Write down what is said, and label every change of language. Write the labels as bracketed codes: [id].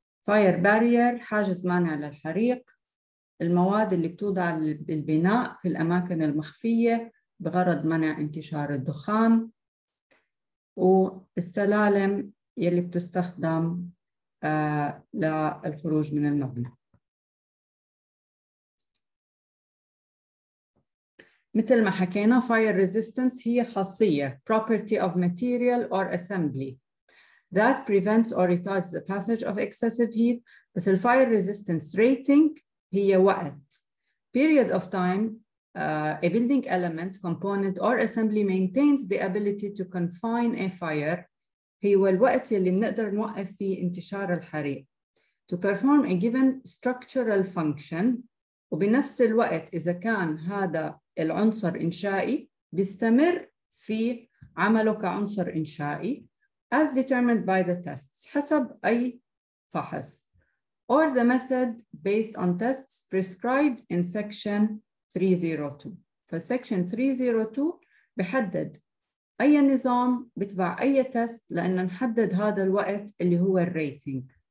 [ar] fire barrier حاجز مانع للحريق، المواد اللي بتوضع بالبناء في الأماكن المخفية بغرض منع انتشار الدخان، والسلالم يلي بتستخدم للخروج من المبنى. مثل ما حكينا [en] fire resistance [ar] هي خاصية [en] property of material or assembly that prevents or retards the passage of excessive heat. [ar] بس ال [en] fire resistance rating [ar] هي وقت [en] period of time a building element, component, or assembly maintains the ability to confine a fire. [ar] هو الوقت يلي بنقدر نوقف فيه انتشار الحريق. [en] To perform a given structural function. [ar] وبنفس الوقت إذا كان هذا العنصر إنشائي بيستمر في عمله كعنصر إنشائي. [en] As determined by the tests. [ar] حسب أي فحص. [en] Or the method based on tests prescribed in section 302. [ar] فالسكشن 302 بحدد أي نظام بتبع أي تست لأن نحدد هذا الوقت اللي هو الريتنج.